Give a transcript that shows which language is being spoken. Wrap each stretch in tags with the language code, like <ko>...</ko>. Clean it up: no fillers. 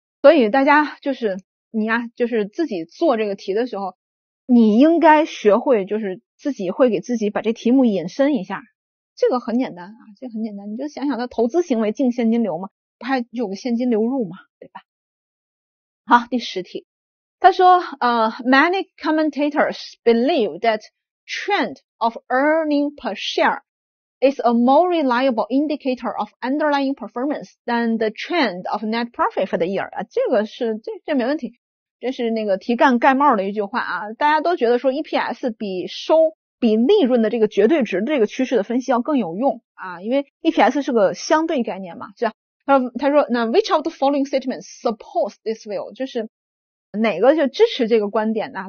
<zh>所以大家就是你啊，就是自己做这个题的时候，你应该学会就是自己会给自己把这题目引申一下，这个很简单啊，这个很简单，你就想想它投资行为净现金流嘛，不还有个现金流入嘛，对吧？好，第10题。他说</zh> <en>many commentators believe that trend of earning per share is a more reliable indicator of underlying performance than the trend of net profit for the year。</en> <zh>啊，这个是这没问题，这是那个题干盖帽的一句话啊，大家都觉得说 EPS 比利润的这个绝对值这个趋势的分析要更有用啊，因为 EPS 是个相对概念嘛，是吧？他说那</zh> <en>which of the following statements supports this view，</en> <zh>就是哪个就支持这个观点呢？</zh>